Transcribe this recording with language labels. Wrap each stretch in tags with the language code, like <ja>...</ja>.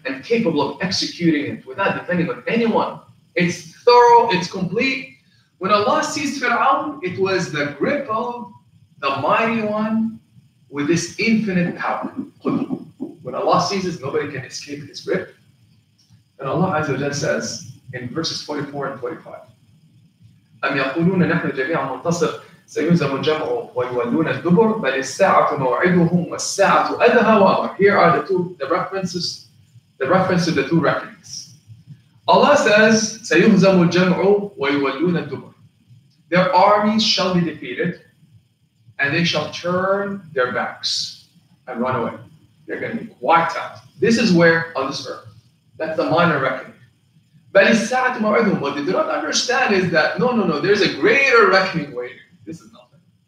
<en>And capable of executing it without depending on anyone. It's thorough, it's complete. When Allah seized Fir'aun, it was the grip of the mighty one with this infinite power. Qudra. When Allah seizes, nobody can escape his grip. And Allah Azza wa Jalla says in verses 44 and 45,</en> <ar>أَمْ يَقُولُونَ نَحْنُ جَمِيعًا مُنْتَصِرٌ سَيُنْزَمُ الْجَمْعُ وَيُوَلُّونَ الدُّبُرُ بَلِ السَّاعَةُ مَوْعِدُهُمْ وَالسَّاعَةُ أَدْهَى وَأَمْرُ.</ar> <en>Here are the references to the two reckonings. Allah says,</en> <ar>سَيُنْزَمُ الْجَمْعُ وَيُوَلُّونَ الدُّبُرُ.</ar> <en>Their armies shall be defeated, and they shall turn their backs and run away. They're going to be wiped out. This is where, on this earth, that's the minor reckoning. But</en> <ar>السَّاعَةُ مَوْعِدُهُمْ,</ar> <en>what they do not understand is that, no, there's a greater reckoning waiting. This is nothing.</en>